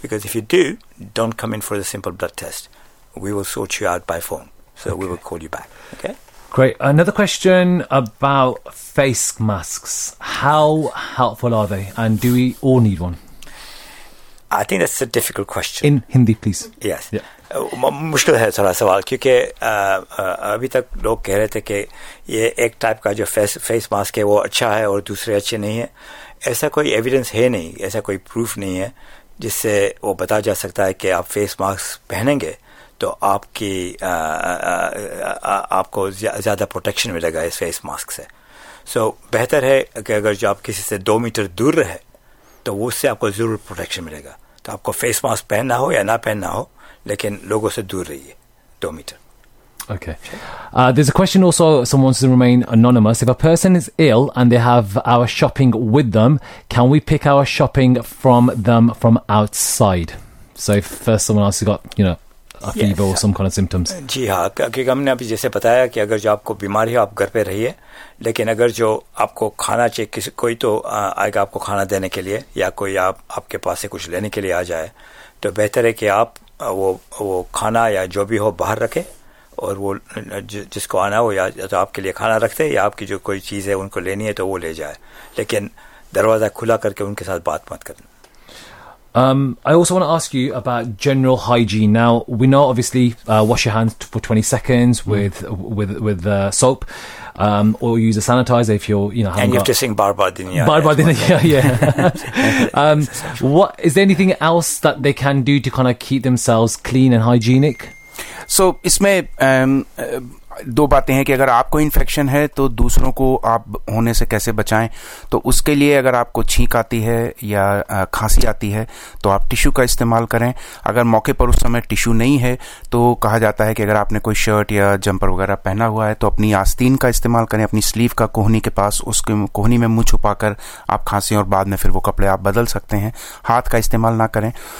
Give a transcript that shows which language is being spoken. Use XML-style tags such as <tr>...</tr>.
<en>Because if you do, don't come in for the simple blood test. We will sort you out by phone. So okay. We will call you back. Okay. Great. Another question about face masks. How helpful are they? And do we all need one? I think that's a difficult question. In Hindi, please. Yes. Yeah.</en> <hi>मुश्किल है थोड़ा सवाल क्योंकि अभी तक लोग कह रहे थे कि ये एक टाइप का जो फेस मास्क है वो अच्छा है और दूसरे अच्छे नहीं है ऐसा कोई एविडेंस है नहीं ऐसा कोई प्रूफ नहीं है जिससे वो बता जा सकता है कि आप फेस मास्क पहनेंगे तो आपकी आपको ज़्यादा प्रोटेक्शन मिलेगा इस फेस मास्क से सो बेहतर है कि अगर जो आप किसी से दो मीटर दूर रहे तो उससे आपको ज़रूर प्रोटेक्शन मिलेगा तो आपको फेस मास्क पहनना हो या ना पहनना हो लेकिन लोगों से दूर रहिए 2 meter.</hi> <en>Okay. There's a question also, someone wants to remain anonymous. If a person is ill and they have our shopping with them, can we pick our shopping from them from outside? So if first someone else has got, you know, a fever or some kind of symptoms.</en> <hi>जी हाँ क्योंकि हमने अभी जैसे बताया कि अगर जो आपको बीमारी हो आप घर पे रहिए लेकिन अगर जो आपको खाना चाहिए किसी कोई तो आएगा आपको खाना देने के लिए या कोई आपके पास से कुछ लेने के लिए आ जाए तो बेहतर है कि आप वो खाना या जो भी हो बाहर रखे और वो जिसको आना हो या तो आपके लिए खाना रखते या आपकी जो कोई चीज है उनको लेनी है तो वो ले जाए लेकिन दरवाजा खुला करके उनके साथ बात मत करना.</hi> <en>I also want to ask you about general hygiene. Now, we know, obviously, wash your hands for 20 seconds with soap or use a sanitizer if you're, you know... And you have to sing Barbar Dinya. Barbar Dinya, yeah. is there anything else that they can do to kind of keep themselves clean and hygienic?</en> <hi>So, isme दो बातें हैं कि अगर आपको infection है तो दूसरों को आप होने से कैसे बचाएं तो उसके लिए अगर आपको छींक आती है या खांसी आती है तो आप टिश्यू का इस्तेमाल करें अगर मौके पर उस समय टिश्यू नहीं है तो कहा जाता है कि अगर आपने कोई शर्ट या जंपर वगैरह पहना हुआ है तो अपनी आस्तीन का इस्तेमाल करें अपनी स्लीव का कोहनी के पास उसके कोहनी में मुंह छुपाकर आप खांसें और बाद में फिर वो कपड़े आप बदल सकते हैं हाथ का इस्तेमाल ना करें</hi>